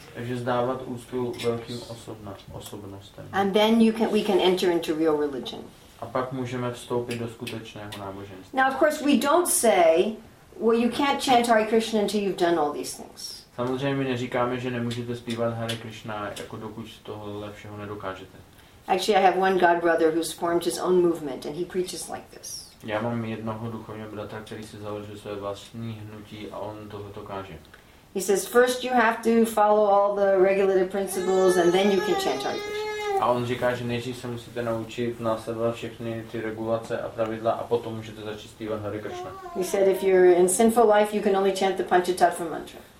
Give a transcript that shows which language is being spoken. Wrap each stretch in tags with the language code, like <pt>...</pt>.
<cs>Takže zdávat úctu velkým osobnostem.</cs> <en>And then we can enter into real religion.</en> <cs>A pak můžeme vstoupit do skutečného náboženství.</cs> <en>Now of course we don't say, well, you can't chant Hare Krishna until you've done all these things.</en> <cs>Samozřejmě neříkáme, že nemůžete zpívat Hare Krishna, jako dokud tohohle všeho nedokážete.</cs> <en>Actually, I have one god brother who's formed his own movement and he preaches like this.</en> <cs>Já mám jednoho duchovního bratra, který si založil své vlastní hnutí a on tohoto káže.</cs> <en>He says, first you have to follow all the regulative principles and then you can chant Hare Krishna.</en> <cs>A on říká, že nejdřív se musíte naučit následovat všechny ty regulace a pravidla a potom můžete začít zpívat Hare Krishna.</cs> <en>He said, if you're in sinful life, you can only chant the Panchatattva mantra.</en>